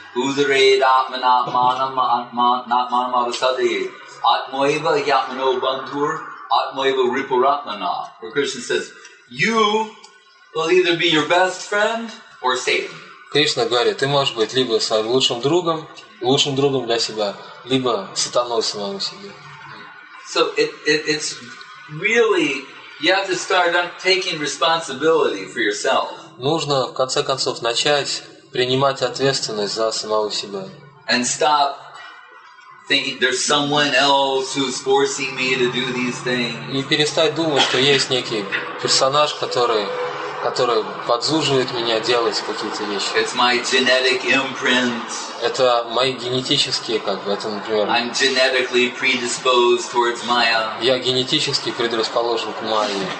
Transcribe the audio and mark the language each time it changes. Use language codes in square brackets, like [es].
[sa] Udhared atman atmanam atmanam avasadhi atmoiva yatmano bandhur Atmaiva Riparatmana, [en] where Krishna says, you will either be your best friend or Satan. [ru] Кришна говорит, ты можешь быть либо своим лучшим другом для себя, либо сатаной самому себе. [en] So it's really you have to start taking responsibility for yourself. [ru] Нужно в конце концов начать принимать ответственность за самого себя. [en] And stop thinking there's someone else who's forcing me to do these things. [ru] И перестать думать, что есть некий персонаж, который который подзуживает меня делать какие-то вещи. [en] It's my genetic imprint. [ru] Это мои генетические, как бы, это, например. [en] I'm genetically predisposed towards Maya. [ru] Я генетически предрасположен к Майе.